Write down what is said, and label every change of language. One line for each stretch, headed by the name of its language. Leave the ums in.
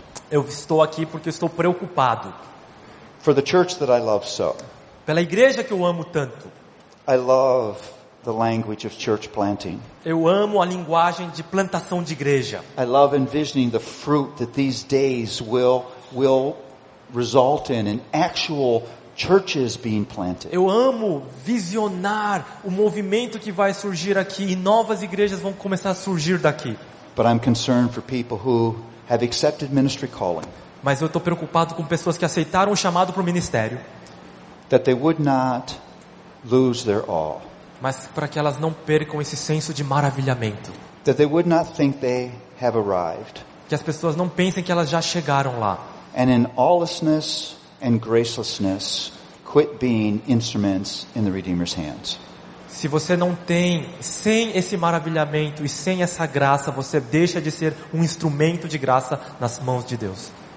Portuguese: Eu estou aqui porque estou preocupado.
English: For the church that I love so.
Portuguese: Pela igreja que eu amo tanto.
English: I love the language of church planting.
Portuguese: Eu amo a linguagem de plantação de igreja.
English: I love envisioning the fruit that these days will will result in an actual churches being planted.
Portuguese: Eu amo visionar o movimento que vai surgir aqui e novas igrejas vão começar a surgir daqui.
English: But I'm concerned for people who have accepted ministry calling.
Portuguese: Mas eu estou preocupado com pessoas que aceitaram o chamado para o ministério.
English: That they would not lose their awe.
Portuguese: Mas para que elas não percam esse senso de maravilhamento.
English: That they would not think they have arrived.
Portuguese: Que as pessoas não pensem que elas já chegaram lá.
English: And in awelessness and gracelessness, quit being instruments in the Redeemer's hands.
Portuguese: Se você não tem, sem esse maravilhamento e sem essa graça, você deixa de ser um instrumento de graça nas mãos de Deus.